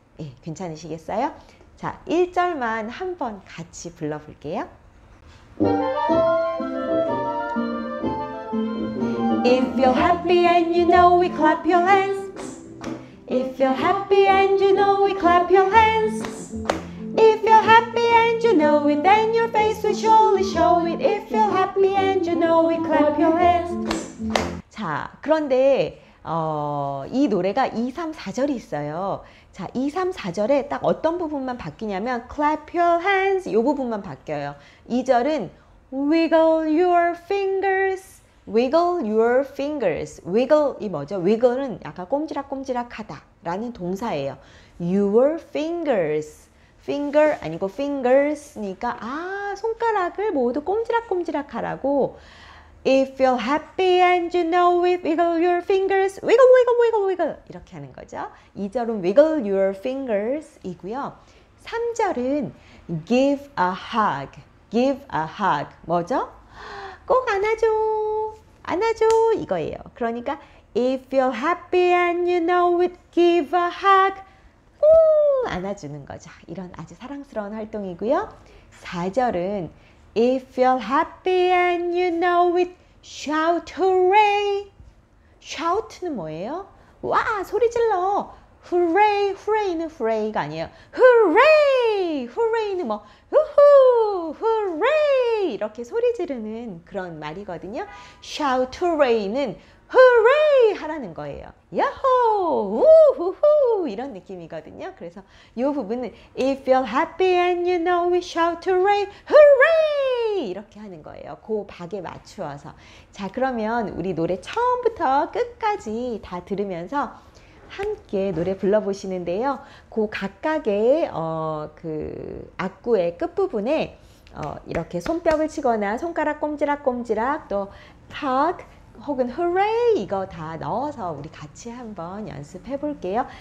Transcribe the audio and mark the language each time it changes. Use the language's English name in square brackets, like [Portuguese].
[Korean] 예, 괜찮으시겠어요? 자, 1절만 한번 같이 불러볼게요. [English] If you're happy and you know it, clap your hands. If you're happy and you know it, clap your hands. If you're happy and you know it, then your face will surely show it. If you're happy and you know it, clap your hands. [Korean] 자, 그런데 이 노래가 2, 3, 4절이 있어요. 자, 2, 3, 4절에 딱 어떤 부분만 바뀌냐면 [English] clap your hands [Korean] 이 부분만 바뀌어요. 2절은 [English] wiggle your fingers, wiggle your fingers. wiggle이 [Korean] 뭐죠? wiggle은 약간 꼼지락꼼지락하다 라는 동사예요. your fingers, finger 아니고 fingers니까 손가락을 모두 꼼지락꼼지락하라고. [English] If you're happy and you know it, wiggle your fingers, wiggle, wiggle, wiggle, wiggle [Korean] 이렇게 하는 거죠. 2절은 [English] wiggle your fingers [Korean] 이고요. 3절은 [English] give a hug, give a hug [Korean] 뭐죠? 꼭 안아줘. 안아줘. 이거예요. 그러니까 [English] if you're happy and you know it, give a hug. [Korean] 꼭 안아주는 거죠. 이런 아주 사랑스러운 활동이고요. 4절은 [English] if you're happy and you know it, shout hooray. [Korean] Shout는 뭐예요? 와, 소리 질러. Hooray, hooray는 hooray가 아니에요. Hooray, hooray는 뭐 후후, hooray 이렇게 소리 지르는 그런 말이거든요. Shout hooray는 hooray 하라는 거예요. 야호, 우후후 이런 느낌이거든요. 그래서 이 부분은 [English] if you're happy and you know we shout hooray, hooray [Korean] 이렇게 하는 거예요. 그 박에 맞추어서. 자, 그러면 우리 노래 처음부터 끝까지 다 들으면서 함께 노래 불러보시는데요. 그 각각의 그 악구의 끝부분에 이렇게 손뼉을 치거나 손가락 꼼지락꼼지락 또 hug 혹은 hooray 이거 다 넣어서 우리 같이 한번 연습해 볼게요.